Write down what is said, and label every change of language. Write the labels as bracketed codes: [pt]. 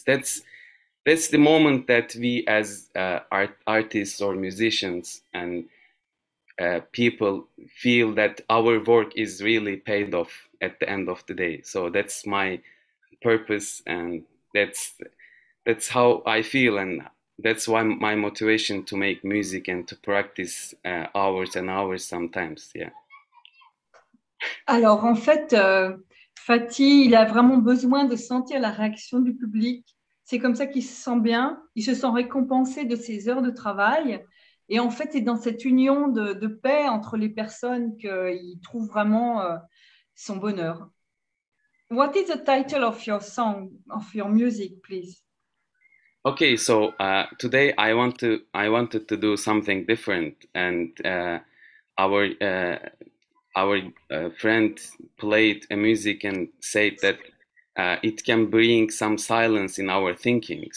[en] That's the moment that we as artists or musicians and people feel that our work is really paid off at the end of the day. So that's my purpose, and that's how I feel, and that's why my motivation to make music and to practice hours and hours sometimes. Yeah. [fr] Alors en fait, Fatih, il a vraiment besoin de sentir la réaction du public. C'est comme ça qu'il se sent bien. Il se sent récompensé de ses heures de travail. Et en fait, c'est dans cette union de paix entre les personnes qu'il trouve vraiment son bonheur. [en] What is the title of your song, of your music, please? Okay, so today I wanted to do something different, and our friend played a music and said that it can bring some silence in our thinking.